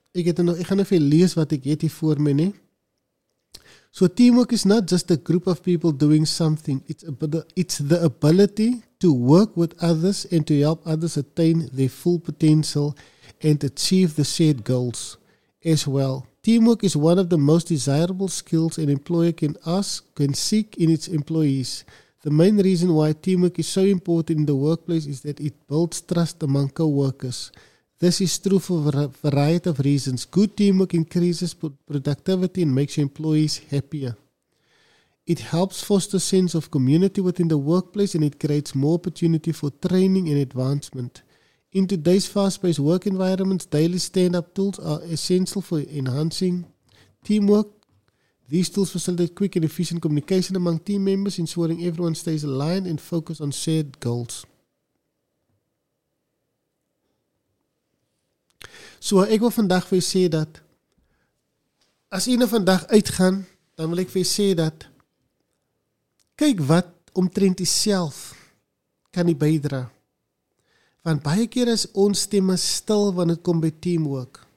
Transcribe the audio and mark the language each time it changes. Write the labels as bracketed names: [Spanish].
[Afrikaans] Ek gaan even lees wat ek het hier voor me, nee. [English] So teamwork is not just a group of people doing something. It's the ability to work with others and to help others attain their full potential and achieve the shared goals as well. Teamwork is one of the most desirable skills an employer can seek in its employees. The main reason why teamwork is so important in the workplace is that it builds trust among co-workers. This is true for a variety of reasons. Good teamwork increases productivity and makes your employees happier. It helps foster a sense of community within the workplace and it creates more opportunity for training and advancement. In today's fast-paced work environments, daily stand-up tools are essential for enhancing teamwork. These tools facilitate quick and efficient communication among team members, ensuring everyone stays aligned and focused on shared goals. [Afrikaans] So, ek wil vandag vir jy sê dat, as jy nou vandag uitgaan, dan wil ek vir jy sê dat, kyk wat omtrent jy self kan jy bydra. Want baie keer is ons stemme stil wanneer het kom by teamwork.